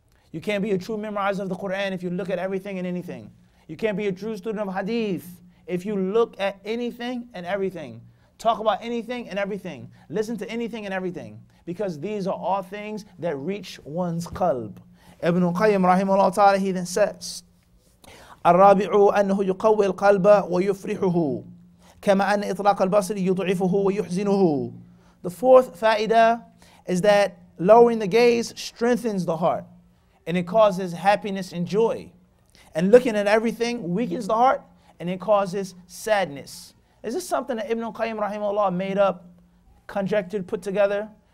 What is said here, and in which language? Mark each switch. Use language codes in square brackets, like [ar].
[en] You can't be a true memorizer of the Quran if you look at everything and anything. You can't be a true student of Hadith if you look at anything and everything. Talk about anything and everything. Listen to anything and everything. Because these are all things that reach one's qalb. [ar] Ibn Qayyim rahimahullah ta'ala, [en] he then says, [ar] الرابعُ أنه يقوي القلب ويفرحه كما أن إطلاق البصر يضعفه ويحزنه. [en] The fourth fa'ida is that lowering the gaze strengthens the heart and it causes happiness and joy. And looking at everything weakens the heart and it causes sadness. Is this something that Ibn Qayyim rahimahullah made up, conjectured, put together?